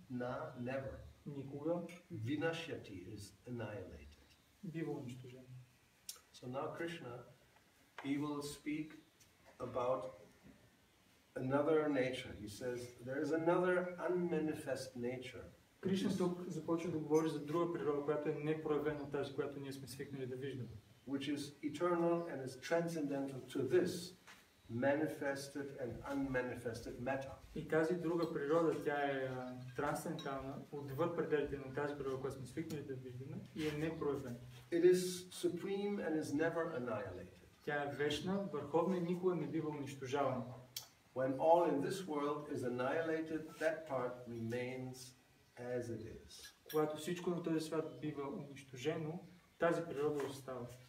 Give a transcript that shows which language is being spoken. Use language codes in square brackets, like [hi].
[en] Na, never. [bg] Никога. [en] Vinashyati is annihilated. [bg] Бива унищожено. [en] So now Krishna, he will speak about another nature. He says, there is another unmanifest nature. [bg] Кришна тук започва да говори за друга природа, която е непроявена от тази, която ние сме свикнали да виждаме. [en] Which is eternal and is transcendental to this manifested and unmanifested matter. [bg] И тази друга природа, тя е трансцендентална, отвъд пределите на тази природа, която сме свикнали да виждаме, и е непроявена. [en] It is supreme and is never annihilated. [bg] Тя е вечна, върховна и никога не бива унищожавана. [en] When all in this world is annihilated, that part remains as it is. [bg] Когато всичко на този свят бива унищожено, тази природа остава.